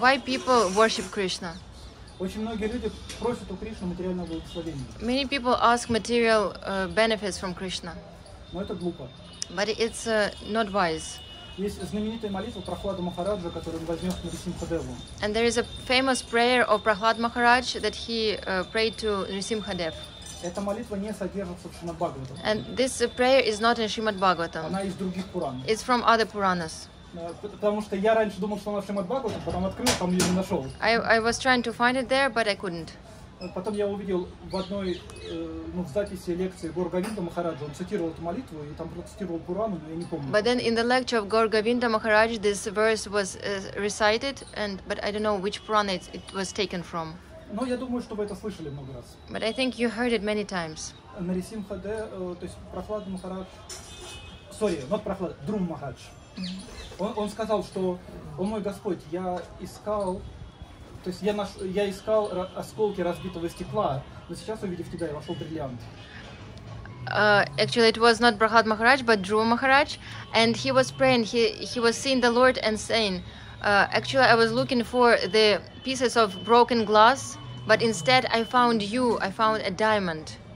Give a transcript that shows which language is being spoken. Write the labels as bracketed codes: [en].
[en] Why people worship Krishna? [ru] Очень многие люди просят у Кришны материального благословения. [en] Many people ask material benefits from Krishna. [ru] Но это глупо. [en] But it's not wise. [ru] Есть знаменитая молитва Прахлада Махараджа, которую он возьмет на Нрисимхадеву. [en] And there is a famous prayer of Prahlad Maharaj that he prayed to Nrisimhadev. [ru] Эта молитва не содержится в Шримад Бхагаватам. [en] And this prayer is not in Shrimad Bhagavatam. [ru] Она из других Пуран. [en] It's from other Puranas. [ru] Потому что я раньше думал, что она в Шримад Бхагаватам, потом открыл, там ее не нашел. [en] I was trying to find it there, but I couldn't. [ru] Потом я увидел в одной в записи лекции Горгавинда Махараджа, он цитировал эту молитву, и там процитировал Пурану, но я не помню. [en] But then in the lecture of Горгавинда Махараджа this verse was recited, and but I don't know which Purana it was taken from. [ru] Но я думаю, что вы это слышали много раз. [en] But I think you heard it many times. [ru] Нарисимхаде, то есть Прахлада Махарадж, [en] sorry, not [ru] Прахлада, Друм Махарадж. Он сказал, что, о мой Господь, я искал, то есть я искал осколки разбитого стекла, но сейчас, увидев тебя, я вошел бриллиант. [en] Actually, it was not Prahlad Maharaj, but Dhruva Maharaj, and he was praying, he was seeing the Lord and saying, actually, I was looking for the pieces of broken glass, but instead I found you, I found a diamond.